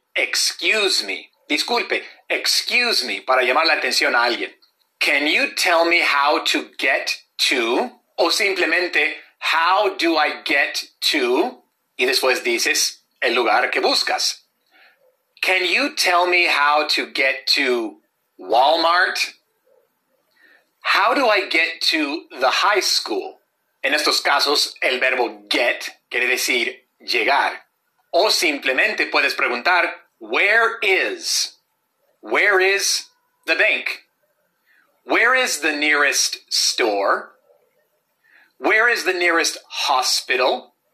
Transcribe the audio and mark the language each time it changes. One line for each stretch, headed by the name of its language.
English: Excuse me,
Spanish: disculpe,
English: excuse me,
Spanish: para llamar la atención a alguien.
English: Can you tell me how to get to?
Spanish: O simplemente,
English: how do I get to?
Spanish: Y después dices el lugar que buscas.
English: Can you tell me how to get to Walmart? How do I get to the high school?
Spanish: En estos casos, el verbo get quiere decir llegar. O simplemente puedes preguntar,
English: where is the bank? Where is the nearest store? Where is the nearest hospital?